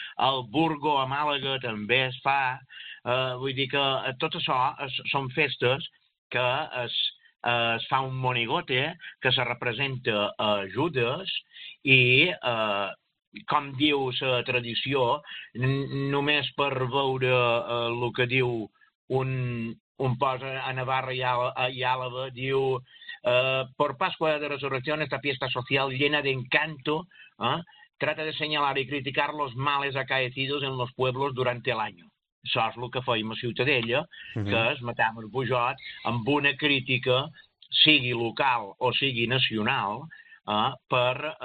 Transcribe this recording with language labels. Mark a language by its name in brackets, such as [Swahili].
[Catalan] El Burgo, a Màlaga, també es fa. Vull dir que tot això són festes que es fa un monigote que se representa a Judas i, com diu la tradició, només per veure el que diu un poble a Navarra i Àlaba, diu... [Spanish] Por Pascua de Resurrección, esta fiesta social llena de encanto, trata de señalar y criticar los males acaecidos en los pueblos durante el año. [Catalan] Això és el que fèiem a Ciutadella, que es matàvem el bujot amb una crítica, sigui local o sigui nacional, per